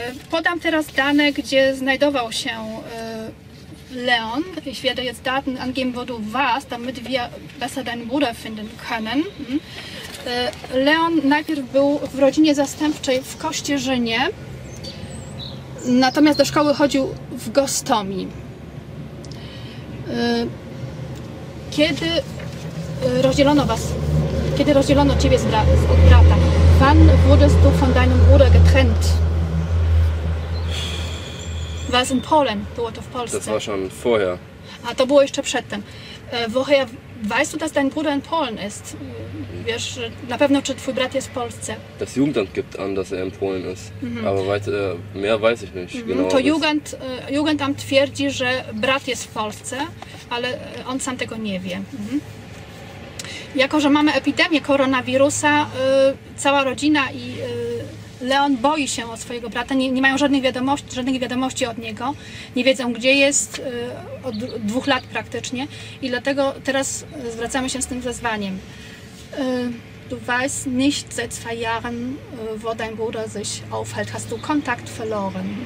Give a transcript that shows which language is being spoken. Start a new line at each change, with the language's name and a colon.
Polish: Podam teraz dane, gdzie znajdował się Leon.
German: Ich werde jetzt Daten angeben, wo du warst, damit wir besser deinen Bruder finden können.
Polish: Leon najpierw był w rodzinie zastępczej w Kościerzynie, natomiast do szkoły chodził w Gostomi. Kiedy rozdzielono was, kiedy rozdzielono ciebie z brata?
German: Wann wurdest du von deinem Bruder getrennt? Was in Polen,
Polish: było to w Polsce.
German: Das war schon vorher.
Polish: A to było jeszcze przedtem.
German: Woher weißt du, dass dein Bruder in Polen ist?
Polish: Wiesz na pewno, czy twój brat jest w Polsce?
German: Das Jugendamt gibt an, dass in Polen ist. Mhm. Aber weiter, mehr weiß ich nicht. Mhm. Genau,
Polish: to Jugendamt twierdzi, że brat jest w Polsce, ale on sam tego nie wie. Mhm. Jako, że mamy epidemię koronawirusa, cała rodzina i Leon boi się o swojego brata, nie mają żadnych wiadomości od niego, nie wiedzą, gdzie jest, od 2 lat praktycznie, i dlatego teraz zwracamy się z tym wezwaniem.
German: Du weißt nicht seit 2 Jahren, wo dein Bruder sich aufhält. Hast du Kontakt verloren?